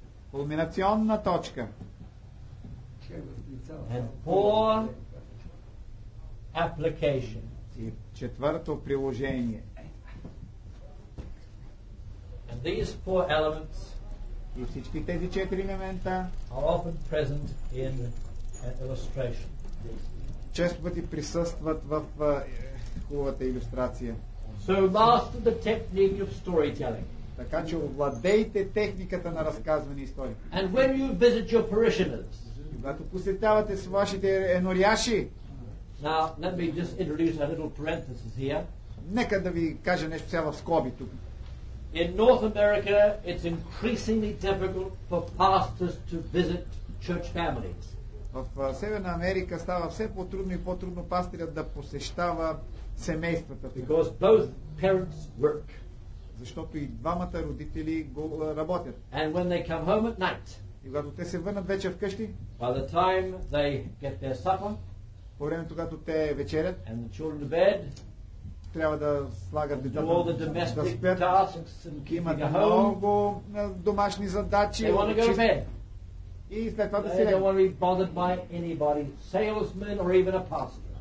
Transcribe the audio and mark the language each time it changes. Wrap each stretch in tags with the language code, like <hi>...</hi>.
<bg>Кулминационна точка.</bg> <en>And four. Application.</en> <bg>И четвърто приложение.</bg> <en>these four elements</en> <bg>и всички тези четири елемента</bg> <en>are often present in an illustration.</en> <bg>Често пъти присъстват в хубавата илюстрация.</bg> <en>So master the technique of storytelling.</en> <bg>Така че овладейте техниката на разказване истории.</bg> <en>And when you visit your parishioners,</en> <bg>когато посетявате с вашите енориаши,</bg> <en>now let me just introduce a little parenthesis here.</en> <bg>Нека да ви кажа нещо сега в скоби тук.</bg> <en>In North America, it's increasingly difficult for pastors to visit church families.</en> <bg>В Северна Америка става все по-трудно и по-трудно пастирът да посещава семействата.</bg> <en>Because both parents work.</en> <bg>Защото и двамата родители го работят.</bg> <en>And when they come home at night,</en> <bg>и когато те се върнат вече вкъщи,</bg> <en>by the time they get their supper,</en> <bg>по времето, когато те вечерят,</bg> <en>and the children to bed,</en> <bg>трябва да слагат децата да, да спят, имат много домашни задачи, и след това да си легнат.</bg>